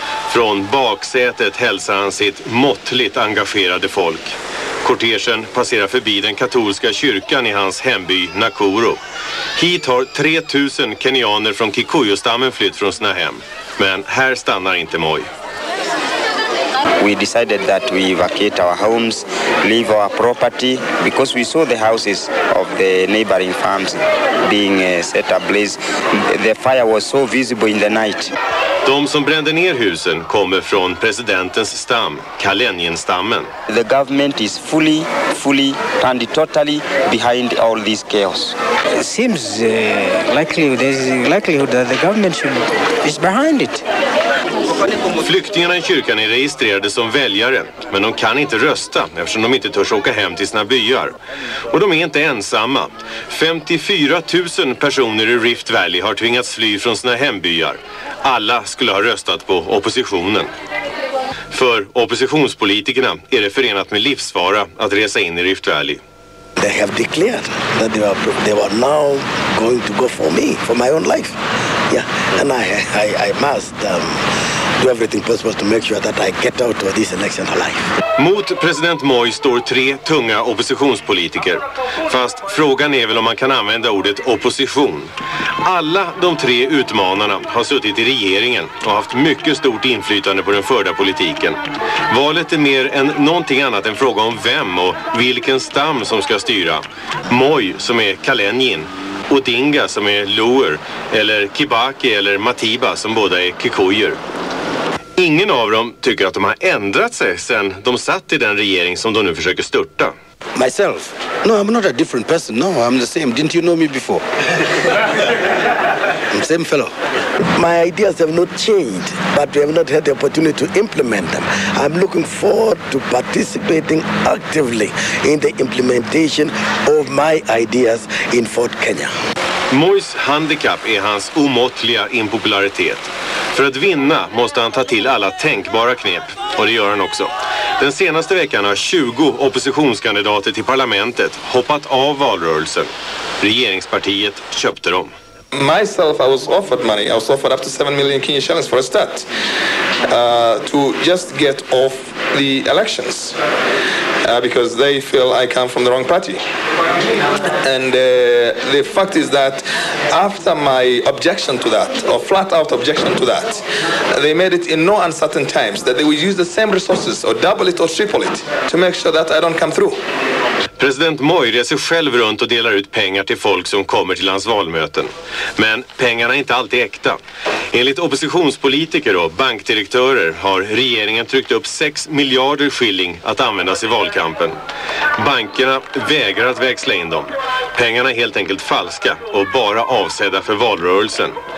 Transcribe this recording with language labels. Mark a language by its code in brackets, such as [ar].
[sv] Från baksätet hälsar han sitt måttligt engagerade folk. Kortegen passerar förbi den katolska kyrkan i hans hemby Nakuru. Hit har 3000 kenianer från Kikuyu-stammen flytt från sina hem. Men här stannar inte Moi. [en] We decided that we vacate our homes, leave our property, because we saw the houses of the neighboring farms being set ablaze. The fire was so visible in the night. [sv] De som brände ner husen kommer från presidentens stam, Kalenjin-stammen. [en] The government is fully and totally behind all this chaos. It seems likely that the government is behind it. [sv] Flyktingarna i kyrkan är registrerade som väljare, men de kan inte rösta eftersom de inte törs åka hem till sina byar. Och de är inte ensamma. 54 000 personer i Rift Valley har tvingats fly från sina hembyar. Alla skulle ha röstat på oppositionen. För oppositionspolitikerna är det förenat med livsfara att resa in i Rift Valley. [en] They have declared that they were now going to go for me, for my own life. Yeah, and I must do everything possible to make sure that I get out of this election alive. [sv] Mot president Moi står tre tunga oppositionspolitiker. Fast frågan är väl om man kan använda ordet opposition. Alla de tre utmanarna har suttit i regeringen och haft mycket stort inflytande på den förda politiken. Valet är mer än någonting annat än fråga om vem och vilken stam som ska styra. Moi som är Kalenjin, Odinga som är Luer, eller Kibaki eller Matiba som båda är Kikuyer. Ingen av dem tycker att de har ändrat sig sedan de satt i den regering som de nu försöker störta. [en] Myself? No, I'm not a different person. No, I'm the same. Didn't you know me before? I'm the same fellow. My ideas have not changed, but we have not had the opportunity to implement them. I'm looking forward to participating actively in the implementation of my ideas in Fort Kenya. [sv] Mois handicap är hans omåttliga impopularitet. För att vinna måste han ta till alla tänkbara knep, och det gör han också. Den senaste veckan har 20 oppositionskandidater till parlamentet hoppat av valrörelsen. Regeringspartiet köpte dem. [en] Myself, I was offered money. I was offered up to 7 million Kenyan shillings for a start to just get off the elections because they feel I come from the wrong party. And the fact is that after my objection to that, or flat out objection to that, they made it in no uncertain times that they will use the same resources or double it or triple it to make sure that I don't come through. [sv] President Moi reser själv runt och delar ut pengar till folk som kommer till hans valmöten. Men pengarna är inte alltid äkta. Enligt oppositionspolitiker och bankdirektörer har regeringen tryckt upp 6 miljarder skilling att användas i valkampen. Bankerna vägrar att växla in dem. Pengarna är helt enkelt falska och bara avsedda för valrörelsen.